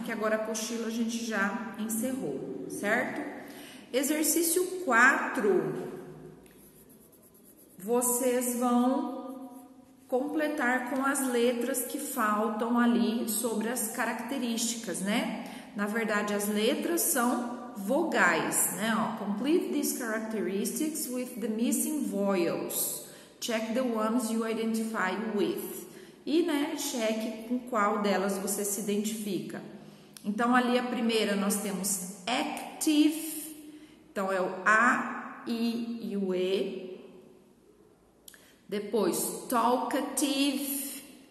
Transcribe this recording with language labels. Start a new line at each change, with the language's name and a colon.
Portuguese: Porque agora a apostila a gente já encerrou, certo? Exercício 4, vocês vão completar com as letras que faltam ali sobre as características, né? Na verdade, as letras são vogais, né?
English: Ó, complete these characteristics with the missing vowels. Check the ones you identify with.
Portuguese: E, né, cheque com qual delas você se identifica. Então, ali a primeira nós temos active. Então, é o A, I e o E. Depois, talkative.